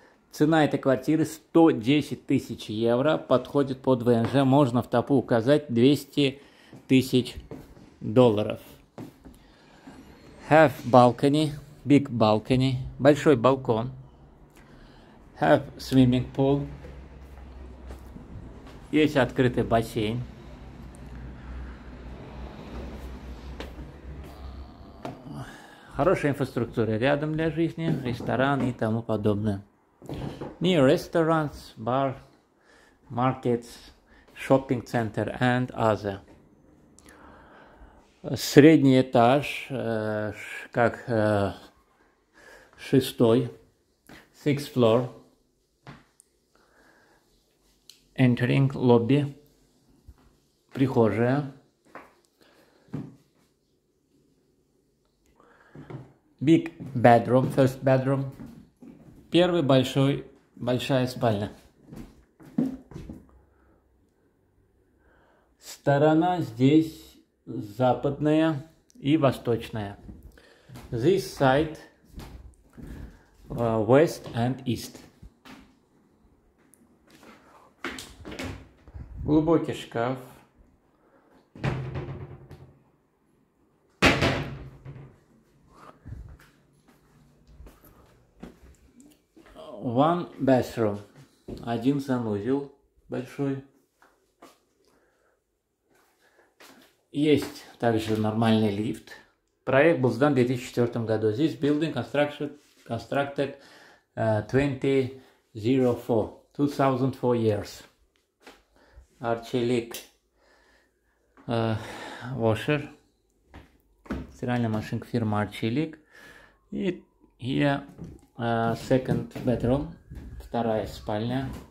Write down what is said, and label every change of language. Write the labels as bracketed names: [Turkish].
[Russian] Цена этой квартиры 110 тысяч евро, подходит под ВНЖ, можно в Тапу указать 200 тысяч долларов. [English] Have balcony, big balcony, [Russian] большой балкон. [English] Have swimming pool, [Russian] есть открытый бассейн. Хорошая инфраструктура рядом для жизни, ресторан и тому подобное. [English] Near restaurants, bar, markets, shopping center and other. [Russian] Средний этаж, как шестой, [English] sixth floor. Entering lobby, [Russian] прихожая. [English] Big bedroom, first bedroom. [Russian] Первый большой, большая спальня. Сторона здесь западная и восточная. [English] This side west and east. [Russian] Глубокий шкаф. [English] One bathroom, [Russian] один санузел большой. Есть также нормальный лифт. Проект был сдан в 2004 году. [English] This building constructed 2004 years. [Russian] Арчелик, [English] washer, [Russian] стиральная машинка фирмы Арчелик. И [English] here second bedroom, [Russian] вторая спальня.